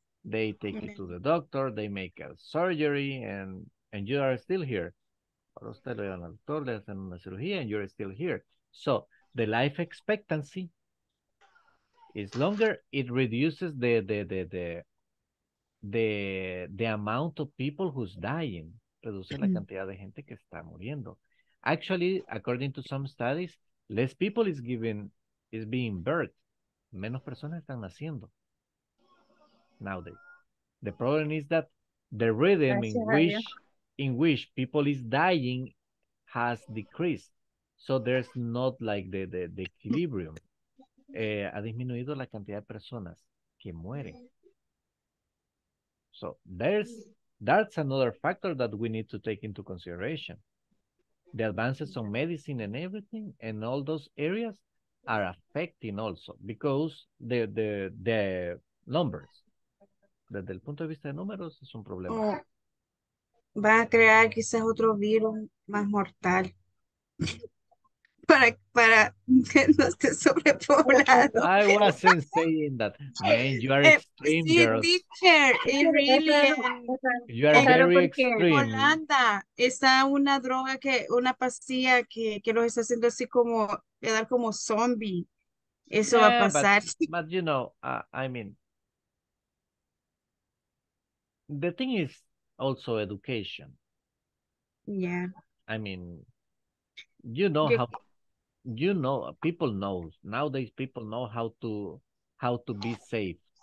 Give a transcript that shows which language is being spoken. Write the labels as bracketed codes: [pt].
[en] They take you to the doctor, they make a surgery, and you are still here. And you're still here. So the life expectancy is longer. It reduces the amount of people who's dying. [es] Reduce la cantidad de gente que está muriendo. [en] Actually, according to some studies, less people is being birthed. [es] Menos personas están naciendo nowadays. [en] The problem is that the rhythm in which people is dying has decreased. So there's not like the equilibrium. [es] Ha disminuido la cantidad de personas que mueren. [en] So that's another factor that we need to take into consideration. The advances on medicine and everything and all those areas are affecting also because the numbers. [es] Desde el punto de vista de números, es un problema. Va a crear quizás otro virus más mortal. Para que no esté sobrepoblado. [en] I wasn't saying that. Man, you are extreme, [es] sí, [en] girls. [es] Sí, [en] teacher. Really. You are very extreme. [es] En Holanda está una droga, una pastilla que los está haciendo así como, quedar como zombie. Eso va a pasar. [en] But you know, I mean, the thing is also education. Yeah. I mean, you know how, you know, people know, nowadays people know how to be safe.